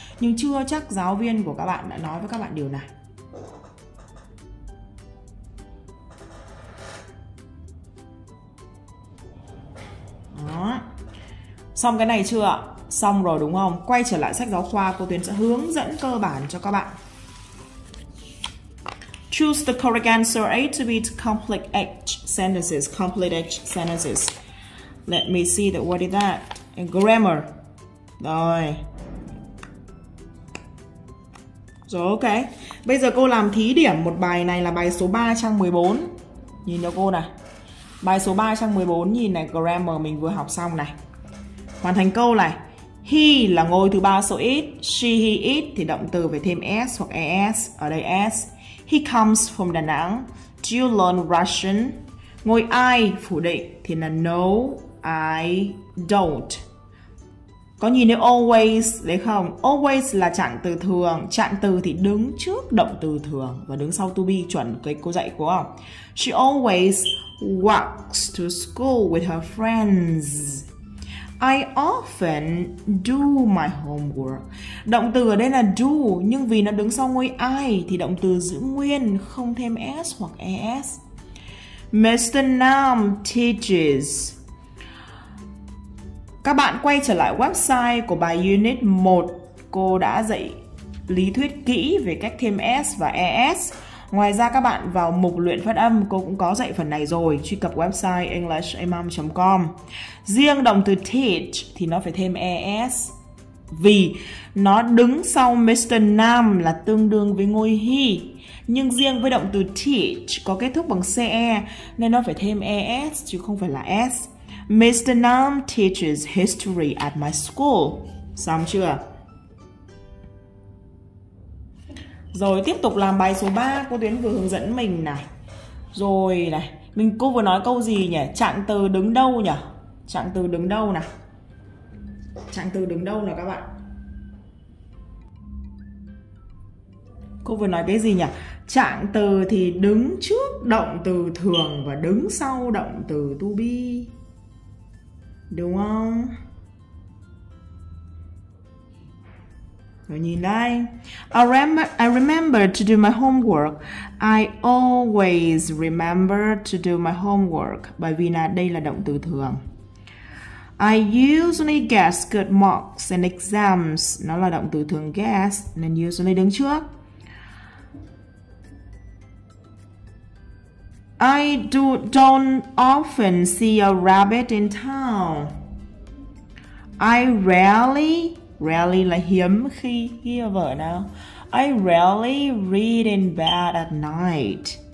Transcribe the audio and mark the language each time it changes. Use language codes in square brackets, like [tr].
[vi] Nhưng chưa chắc giáo viên của các bạn đã nói với các bạn điều này. Xong cái này chưa ạ? Xong rồi đúng không? Quay trở lại sách giáo khoa, cô Tuyến sẽ hướng dẫn cơ bản cho các bạn. [en] Choose the correct answer A to B to complete H sentences. Complete H sentences. Let me see that. What is that? In grammar. [vi] Rồi. Rồi ok. Bây giờ cô làm thí điểm một bài này là bài số 3 trang 14. Nhìn cho cô này. Bài số 3 trang 14 nhìn này, grammar mình vừa học xong này. Hoàn thành câu này. He là ngôi thứ ba số ít. She, he, it thì động từ phải thêm s hoặc es. Ở đây s. [en] He comes from Đà Nẵng. Do you learn Russian? [vi] Ngôi I phủ định thì là [en] no, I don't. [vi] Có nhìn thấy always đấy không? Always là trạng từ thường. Trạng từ thì đứng trước động từ thường và đứng sau to be, chuẩn cái cô dạy của không? [en] She always walks to school with her friends. I often do my homework. [vi] Động từ ở đây là do, nhưng vì nó đứng sau ngôi I thì động từ giữ nguyên, không thêm s hoặc es. Mr. [en] Nam teaches. [vi] Các bạn quay trở lại website của bài Unit 1. Cô đã dạy lý thuyết kỹ về cách thêm s và es. Ngoài ra các bạn vào mục luyện phát âm, cô cũng có dạy phần này rồi. Truy cập website englishimam.com. Riêng động từ teach thì nó phải thêm es, vì nó đứng sau Mr. Nam là tương đương với ngôi he. Nhưng riêng với động từ teach có kết thúc bằng ce nên nó phải thêm es chứ không phải là s. [en] Mr. Nam teaches history at my school. [vi] Xong chưa? Rồi tiếp tục làm bài số 3, cô Tuyến vừa hướng dẫn mình này. Rồi này, mình cô vừa nói câu gì nhỉ? Trạng từ đứng đâu nhỉ? Trạng từ đứng đâu nào? Trạng từ đứng đâu nào các bạn? Cô vừa nói cái gì nhỉ? Trạng từ thì đứng trước động từ thường và đứng sau động từ to be. Đúng không? Rồi nhìn đây. [en] I remember to do my homework. I always remember to do my homework. [vi] Bởi vì là đây là động từ thường. [en] I usually get good marks in exams. [vi] Nó là động từ thường get nên usually đứng trước. [en] I don't often see a rabbit in town. I rarely [vi] là hiếm khi, khi vợ nào. [en] I rarely read in bed at night.